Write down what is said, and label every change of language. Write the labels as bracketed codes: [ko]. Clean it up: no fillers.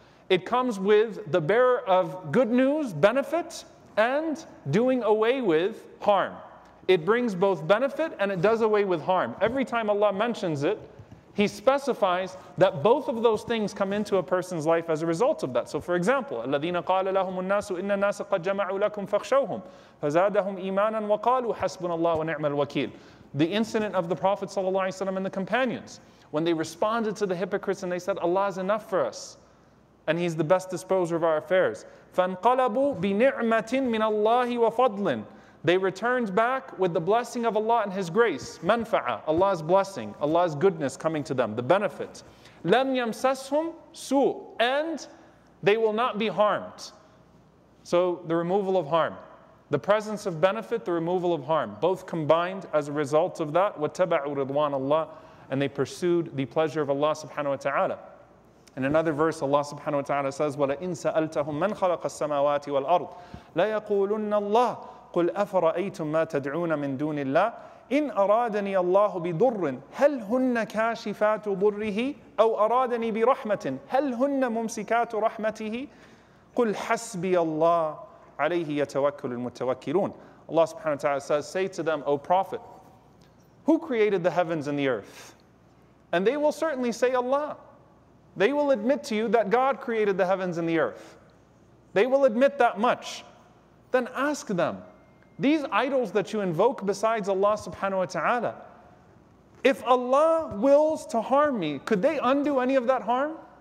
[en] It comes with the bearer of good news, benefit, and doing away with harm. It brings both benefit and it does away with harm. Every time Allah mentions it, He specifies that both of those things come into a person's life as a result of that. [ar] So for example, الَّذِينَ قَالَ لَهُمُ النَّاسُ إِنَّ النَّاسَ قَدْ جَمَعُوا لَكُمْ فَخْشَوْهُمْ فَزَادَهُمْ إِيمَانًا وَقَالُوا حَسْبُنَ اللَّهُ وَنِعْمَ الْوَكِيلُ. [en] The incident of the Prophet ﷺ and the companions, when they responded to the hypocrites and they said, Allah is enough for us, and He's the best disposer of our affairs. [ar] فَانْقَلَبُوا بِنِعْمَةٍ مِنَ اللَّهِ وَفَضْلٍ. [en] They returned back with the blessing of Allah and His grace. مَنْفَعَ, Allah's blessing, Allah's goodness coming to them, the benefit. لَمْ يَمْسَسْهُمْ سُوءٍ, and they will not be harmed. So the removal of harm. The presence of benefit, the removal of harm, both combined as a result of that, وَاتَّبَعُوا رِضْوَانَ اللَّهِ, and they pursued the pleasure of Allah subhanahu wa ta'ala. [ar] In another verse, Allah subhanahu wa ta'ala says, وَلَئِنْ سَأَلْتَهُمْ مَنْ خَلَقَ السَّمَاوَاتِ وَالْأَرْضِ لَيَقُولُنَّ اللَّهِ قُلْ أَفَرَأَيْتُمْ مَا تَدْعُونَ مِنْ دُونِ اللَّهِ إِنْ أَرَادَنِيَ اللَّهُ بِضُرٍ هَلْ هُنَّ كَاشِفَاتُ ضُرِّهِ أَوْ أَرَادَنِي بِرَحْمَةٍ هَلْ هُنَّ مُمْسِكَاتُ رَحْمَتِهِ قُلْ حَسْبِيَ اللَّهُ عليه يتوكل المتوكلون. [en] Allah subhanahu wa ta'ala says, say to them, O Prophet, who created the heavens and the earth? And they will certainly say Allah. They will admit to you that God created the heavens and the earth. They will admit that much. Then ask them, these idols that you invoke besides Allah subhanahu wa ta'ala, if Allah wills to harm me, could they undo any of that harm?